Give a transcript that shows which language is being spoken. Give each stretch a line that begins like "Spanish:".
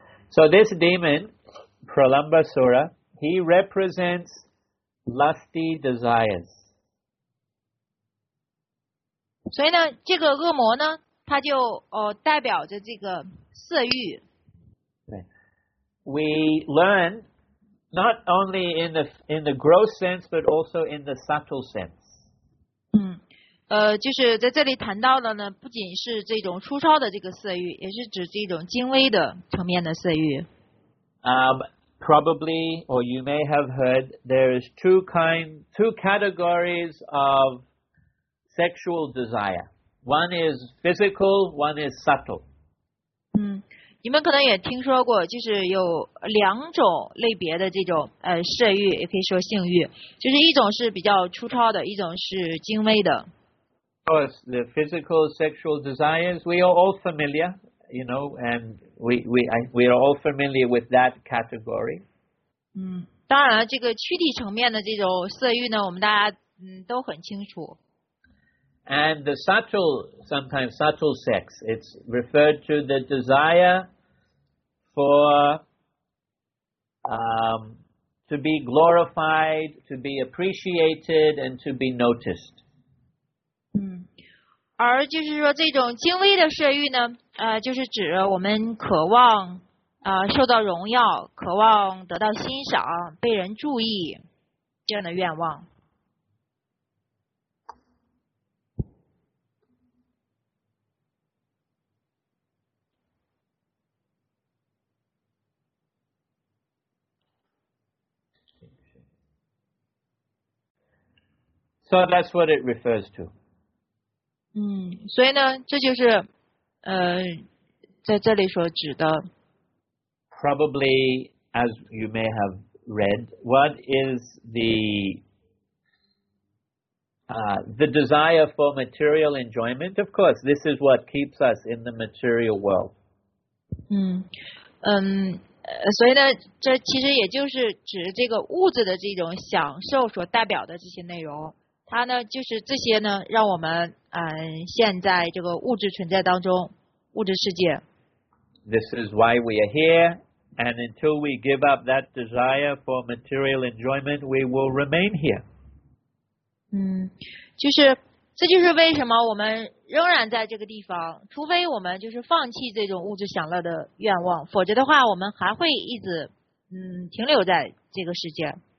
English: So this demon, Pralambasura, he represents lusty desires.
Chinese: 所以呢，这个恶魔呢，它就代表着这个色欲。
English: We learn not only in the gross sense, but also in the subtle sense.
Chinese: 就是在这里谈到的呢，不仅是这种粗糙的这个色欲，也是指这种精微的层面的色欲。
English: Probably, or you may have heard, there is two categories of sexual desire. One is physical, one is subtle.
Chinese: 你们可能也听说过，就是有两种类别的这种色欲，也可以说性欲，就是一种是比较粗糙的，一种是精微的。
English: Of course, the physical sexual desires, we are all familiar, you know, and we are all familiar with that category.
Chinese: 当然这个躯体层面的这种色欲呢，我们大家都很清楚。
English: And the subtle, sometimes subtle sex, it's referred to the desire for, to be glorified, to be appreciated, and to be noticed.
Chinese: 而就是说这种精微的色欲呢就是指我们渴望受到荣耀，渴望得到欣赏，被人注意，这样的愿望。
English: So that's what it refers to.
Chinese: 所以呢，这就是在这里所指的。
English: Probably, as you may have read, what is the desire for material enjoyment? Of course, this is what keeps us in the material world.
Chinese: 所以呢，这其实也就是指这个物质的这种享受所代表的这些内容。它呢，就是这些呢，让我们现在这个物质存在当中，物质世界。
English: This is why we are here, and until we give up that desire for material enjoyment, we will remain here.
Chinese: 就是这就是为什么我们仍然在这个地方，除非我们就是放弃这种物质享乐的愿望，否则的话，我们还会一直停留在这个世界。